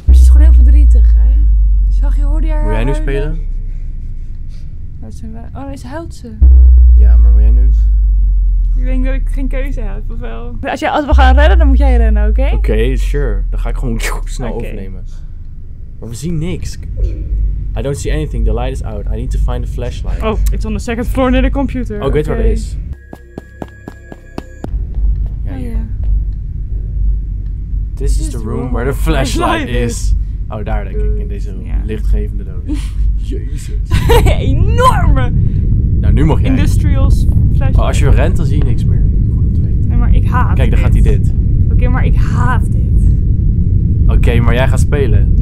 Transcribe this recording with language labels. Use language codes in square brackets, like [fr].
[nl] Maar ze is gewoon heel verdrietig, hè? Zag je, hoorde haar moet jij nu huilen? Spelen? Oh, nee, ze huilt ze. Ja, maar moet jij nu? Ik denk dat ik geen keuze heb, of wel? Als we gaan rennen, dan moet jij rennen, oké? [en] Okay? Oké, okay, sure. [nl] Dan ga ik gewoon snel overnemen. Maar we zien niks. [en] I don't see anything, the light is out. I need to find a flashlight. Oh, it's on the second floor near the computer. [nl] Oh, ik weet waar het is. Ja, ja. [en] This is the room where the flashlight is. [nl] Oh, daar denk ik, in deze lichtgevende doos. Jezus. Enorme! Nou, nu mag jij. [en] Industrials flashlight. [nl] Oh, als je rent, dan zie je niks meer. Goed om te weten. Nee, maar ik haat dit. Kijk, daar gaat hij dit. Oké, maar ik haat dit. Oké, maar jij gaat spelen.